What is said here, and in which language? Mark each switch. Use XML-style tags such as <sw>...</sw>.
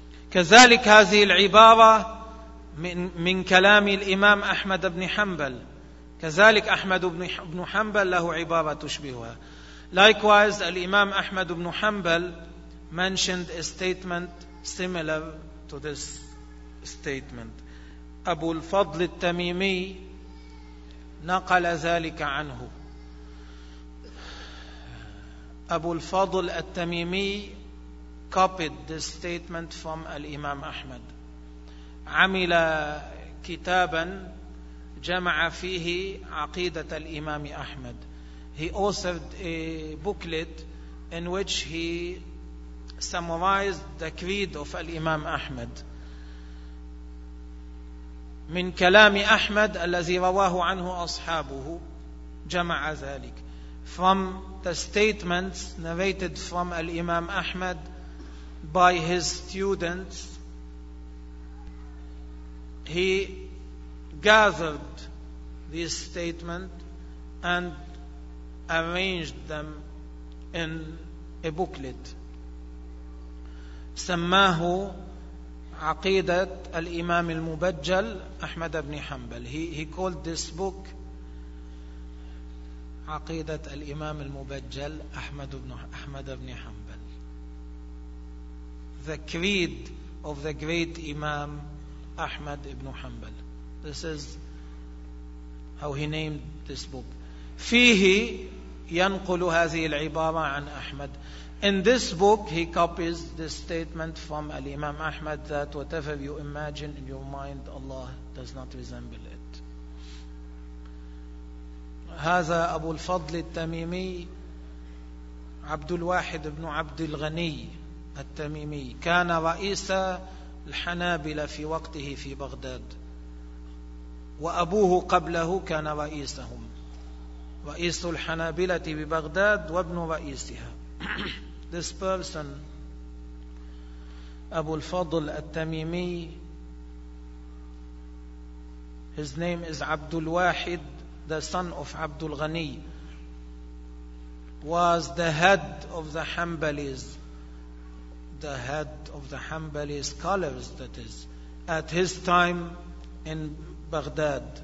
<ar>كذلك هذه العبارة من كلام الإمام أحمد بن حنبل. كذلك أحمد بن حنبل له عبارة تشبهها.</ar> <en>Likewise, الإمام أحمد بن حنبل mentioned a statement similar to this statement.</en> <ar>أبو الفضل التميمي نقل ذلك عنه.</ar> <en>أبو الفضل التميمي copied this statement from الإمام أحمد.</en> <ar>عمل كتابا جمع فيه عقيدة الإمام أحمد.</ar> <en>He authored a booklet in which he summarized the creed of الإمام أحمد.</en> <ar>من كلام أحمد الذي رواه عنه أصحابه جمع ذلك.</ar> <en>From the statements narrated from الإمام أحمد by his students, he gathered these statements and arranged them in a booklet.</en> <ar>سماه عقيدة الإمام المبجل أحمد بن حنبل.</ar> <en>He called this book عقيدة الإمام المبجل أحمد بن حنبل. The creed of the great Imam Ahmad ibn Hanbal. This is how he named this book.</en> <ar>فيه ينقل هذه العبارة عن أحمد.</ar> <en>In this book, he copies this statement from Imam Ahmad that whatever you imagine in your mind, Allah does not resemble it.</en> <ar>هذا أبو الفضل التميمي عبد الواحد بن عبد الغني التميمي كان رئيس الحنابلة في وقته في بغداد، وأبوه قبله كان رئيسهم، رئيس الحنابلة ببغداد وابن رئيسها.</ar> <en>This person, أبو الفضل التميمي, his name is عبد الواحد, the son of عبد الغني, was the head of the Hanbalis, the head of the Hanbali scholars, that is, at his time in Baghdad.</en>